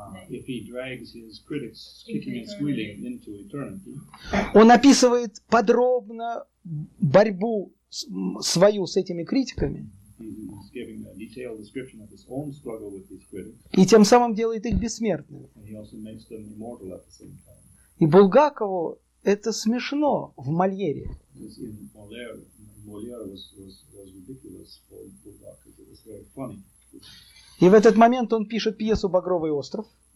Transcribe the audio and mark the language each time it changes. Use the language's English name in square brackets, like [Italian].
[English] If he drags his critics kicking and squealing into eternity. [Russian] Он описывает подробно борьбу свою с этими критиками. [English] He's giving a detailed description of his own struggle with these critics. [Russian] И тем самым делает их бессмертными. [English] And he also makes them immortal at the same time. [Russian] И Булгакову это смешно в Мольере. [English] Molière was ridiculous for Bulgakov. It was very funny. [Russian] И в этот момент он пишет пьесу «Багровый остров».